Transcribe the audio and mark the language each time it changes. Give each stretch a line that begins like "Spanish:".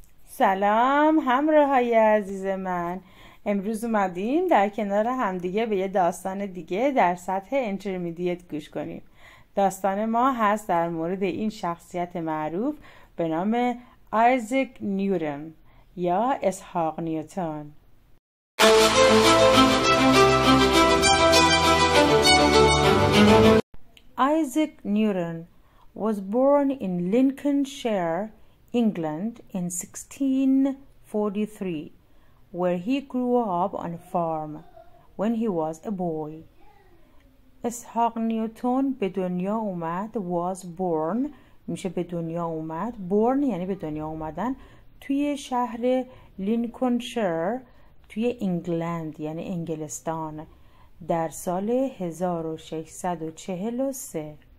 Persian: سلام همراهای عزیز من، امروز اومدیم در کنار همدیگه به یه داستان دیگه در سطح انترمیدیت گوش کنیم. داستان ما هست در مورد این شخصیت معروف به نام آیزک نیوتن یا اسحاق نیوتن.
English: Isaac Newton was born in Lincolnshire, England in 1643, where he grew up on a farm when he was a boy.
Persian: اسحاق نیوتن به دنیا اومد
English: was born
Persian: میشه به دنیا اومد
English: born
Persian: یعنی به دنیا اومدن توی شهر لینکلنشایر توی انگلند یعنی انگلستان در سال 1643